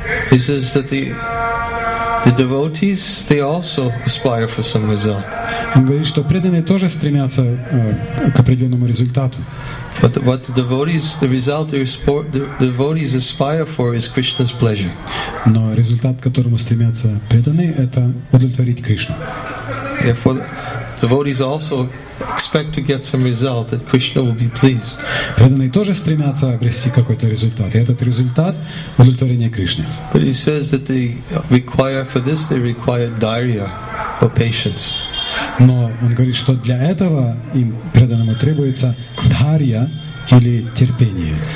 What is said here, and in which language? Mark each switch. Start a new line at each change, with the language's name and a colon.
English: He says that the devotees they also aspire for some result.
Russian: Он говорит, что преданные тоже стремятся к определенному результату.
English: But the devotees, the result the devotees aspire for is Krishna's pleasure.
Russian: Но результат, к которому стремятся преданные, это удовлетворить Кришну.
English: Therefore, devotees also expect to get some result that Krishna will be pleased.
Russian: Преданные тоже стремятся обрести какой-то результат, и этот результат удовлетворение Кришны.
English: But he says that they require for this they require dhairya or patience.
Russian: Но он говорит, что для этого им преданному требуется дхарья или терпение.